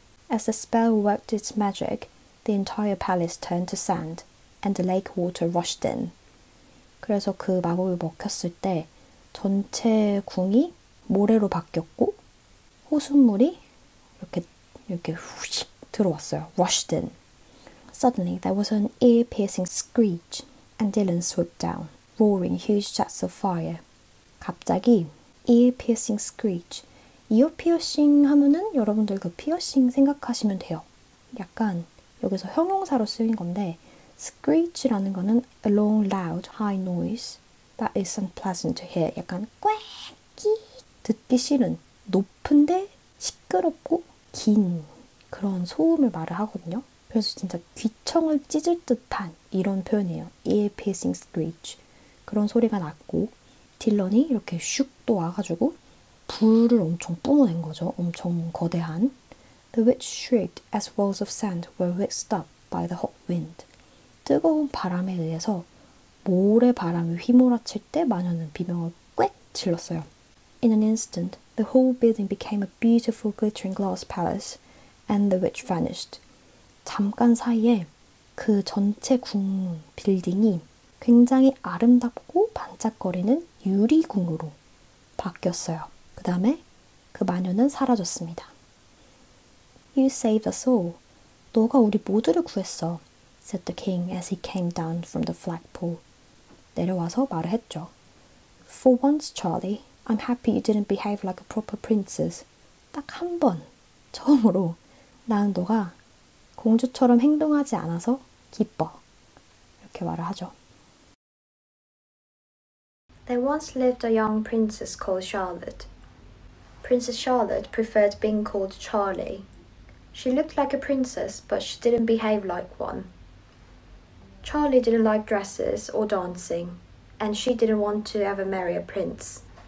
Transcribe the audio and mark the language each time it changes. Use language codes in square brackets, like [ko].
[en] As the spell worked its magic, the entire palace turned to sand, and the lake water rushed in. [ko] 그래서 그 마법이 먹혔을 때 전체 궁이 모래로 바뀌었고 호수물이 이렇게 후식 들어왔어요. [en] Rushed in. Suddenly, there was an ear-piercing screech, and Dylan swooped down, roaring huge jets of fire. [ko] 갑자기 [en] ear-piercing screech. [ko] 이어 피어싱 하면은 여러분들 그 피어싱 생각하시면 돼요. 약간 여기서 형용사로 쓰인 건데 screech라는 거는 [en] a long loud high noise that is unpleasant to hear. [ko] 약간 꽥기 듣기 싫은 높은데 시끄럽고 긴 그런 소음을 말을 하거든요. 그래서 진짜 귀청을 찢을 듯한 이런 표현이에요. [en] ear piercing screech. [ko] 그런 소리가 났고 딜런이 이렇게 슉 또 와가지고 불을 엄청 뿜어낸 거죠. 엄청 거대한. [en] The witch shrieked as walls of sand were whisked up by the hot wind. [ko] 뜨거운 바람에 의해서 모래 바람이 휘몰아칠 때 마녀는 비명을 꽥 질렀어요. [en] In an instant, the whole building became a beautiful glittering glass palace and the witch vanished. [ko] 잠깐 사이에 그 전체 궁 빌딩이 굉장히 아름답고 반짝거리는 유리궁으로 바뀌었어요. 그 다음에 그 마녀는 사라졌습니다. [en] You saved us all. [ko] 너가 우리 모두를 구했어. [en] said the king as he came down from the flagpole. [ko] 내려와서 말을 했죠. [en] For once, Charlie, I'm happy you didn't behave like a proper princess. [ko] 딱 한 번, 처음으로 난 너가 공주처럼 행동하지 않아서 기뻐. 이렇게 말을 하죠. [en] There once lived a young princess called Charlotte. Princess Charlotte preferred being called Charlie. She looked like a princess, but she didn't behave like one. Charlie didn't like dresses or dancing, and she didn't want to ever marry a prince.